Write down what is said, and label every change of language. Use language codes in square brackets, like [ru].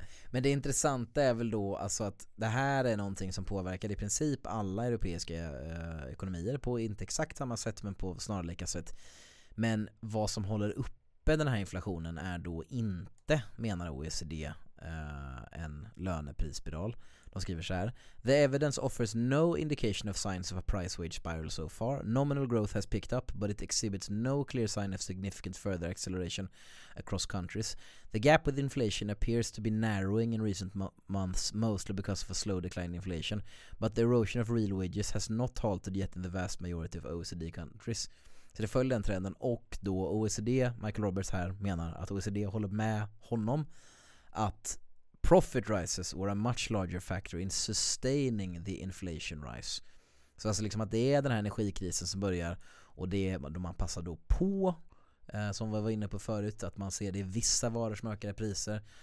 [sv] Men det intressanta är väl då alltså att det här är någonting som påverkar i princip alla europeiska ekonomier på inte exakt samma sätt, men på snarlika sätt. Men vad som håller uppe den här inflationen är då inte, menar OECD, en löneprisspiral. De skriver så här: [en] the evidence offers no indication of signs of a price wage spiral so far. Nominal growth has picked up, but it exhibits no clear sign of significant further acceleration across countries. The gap with inflation appears to be narrowing in recent months, mostly because of a slow decline in inflation, but the erosion of real wages has not halted yet in the vast majority of OECD countries. [sv] Så det följer den trenden, och då OECD, Michael Roberts här, menar att OECD håller med honom att [en] profit rises were a much larger factor in sustaining the inflation rise. [sv] Så alltså liksom att det är den här energikrisen som börjar, och det är då man passar då på, som vi var inne på förut, att man ser det i vissa varor som ökar i priser.